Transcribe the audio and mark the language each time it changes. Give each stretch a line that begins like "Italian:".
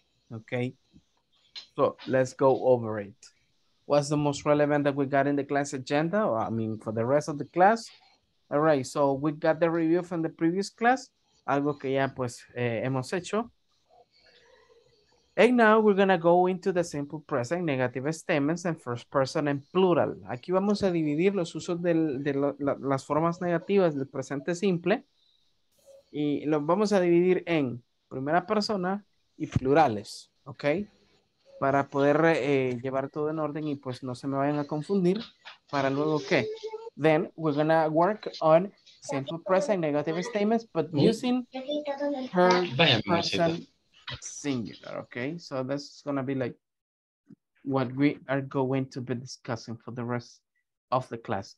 English: Okay, so let's go over it. What's the most relevant that we got in the class agenda? Or, I mean, for the rest of the class. All right, so we got the review from the previous class.
Spanish: algo que ya pues hemos hecho.
English: And now we're going to go into the simple present negative statements and first person and plural.
Spanish: Aquí vamos a dividir los usos de las formas negativas del presente simple y los vamos a dividir en primera persona y plurales, ¿ok? Para poder llevar todo en orden y pues no se me vayan a confundir. ¿Para luego qué?
English: Then we're going to work on simple present negative statements, but using her person singular, okay? So that's going to be like what we are going to be discussing for the rest of the class.